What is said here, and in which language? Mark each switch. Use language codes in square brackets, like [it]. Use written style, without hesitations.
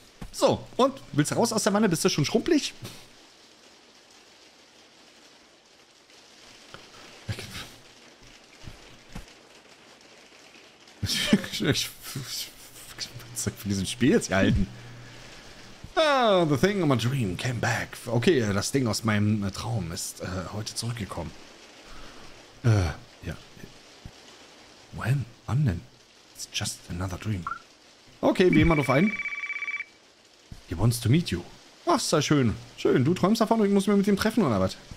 [de] So, und? Willst du raus aus der Wanne? Bist du schon schrumpelig? Ich für diesen Spiel jetzt gehalten. [en] Ah, the thing in my dream came back. [de] Okay, das Ding aus meinem Traum ist heute zurückgekommen. Ja. [en] When? [de] Wann denn? [en] It's just another dream. [de] Okay, wie immer drauf ein. [en] He wants to meet you. [de] Ach, sei schön. Schön, du träumst davon und ich muss mich mit ihm treffen, oder was?